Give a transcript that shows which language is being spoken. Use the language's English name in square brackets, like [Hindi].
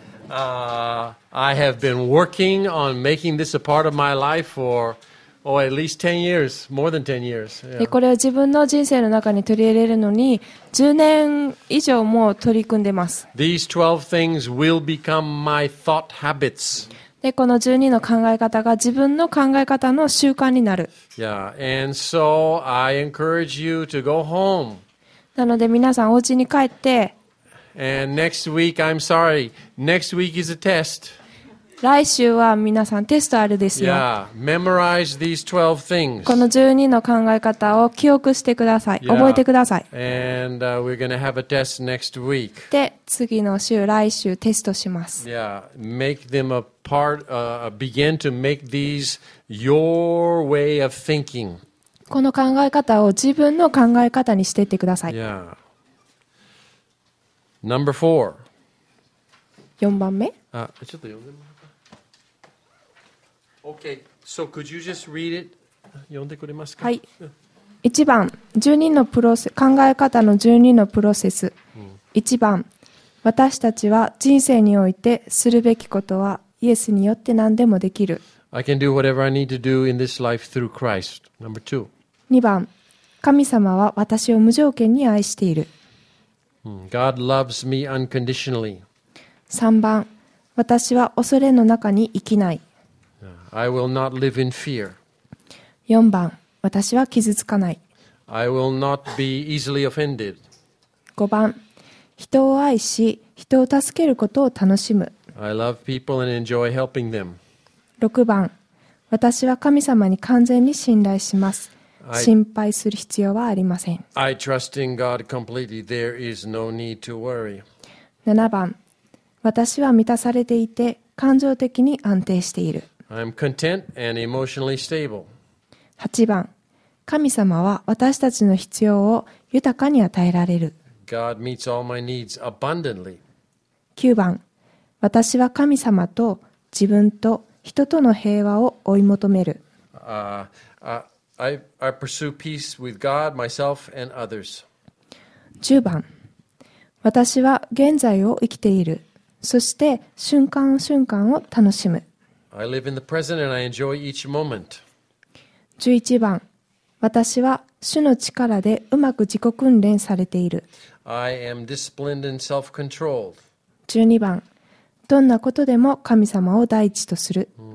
[English] I have been working on making this a part of my life for, at least 10 years, more than 10 years. Yeah. [Japanese] これを自分の人生の中に取り入れるのに10年以上も取り組んでます。 [English] These 12 things will become my thought habits. [Japanese] でこの12の考え方が自分の考え方の習慣になる。 [English] Yeah. And so、I encourage you to go home. [Japanese] なので皆さんお家に帰って。 [English] And next week, I'm sorry. Next week is a test. [Japanese] 来週は皆さんテストあるですよ。 [English] Yeah. Memorize these 12 things. [Japanese] この12の考え方を記憶してください。 [English] Yeah. [Japanese] 覚えてください。 [English] And we're gonna have a test next week. [Japanese] で次の週来週テストします。 [English] Yeah. Make them aPart, begin to make these your way of thinking. [Japanese] この考え方を自分の考え方にしていってください。 [English] Yeah. Number four. [Japanese] 四番目。ちょっと読んでもらった。 [English] Okay. So could you just read it? [Japanese] 読んでくれますか。はい。一番、考え方の十二のプロセス。一番、私たちは人生においてするべきことはイエスによって何でもできる。 [English] I can do whatever I need to do in this life through Christ. Number two. [Japanese] 二番、神様は私を無条件に愛している。 [English] God loves me unconditionally. [Japanese] 三番、私は恐れの中に生きない。 [English] I will not live in fear. [Japanese] 四番、私は傷つかない。 [English] I will not be easily offended. [Japanese] 5番、人を愛し、人を助けることを楽しむ。 [English] I love people and enjoy helping them. [Japanese] 6番、私は神様に完全に信頼します。心配する必要はありません。 [English] I trust in God completely. There is no need to worry. [Japanese] 7番、私は満たされていて、感情的に安定している。 [English] I'm content and emotionally stable. [Japanese] 8番、神様は私たちの必要を豊かに与えられる。 [English] God meets all my needs abundantly. [Japanese] 9番、私は神様と自分と人との平和を追い求める。 [English] I pursue peace with God, myself, and others. [Japanese] 10番、私は現在を生きている。そして瞬間瞬間を楽しむ。 [English] I live in the present and I enjoy each moment. [Japanese] 11番、私は主の力でうまく自己訓練されている。 [English] I am disciplined and self-controlled. [Japanese] 12番、どんなことでも神様を第一とする。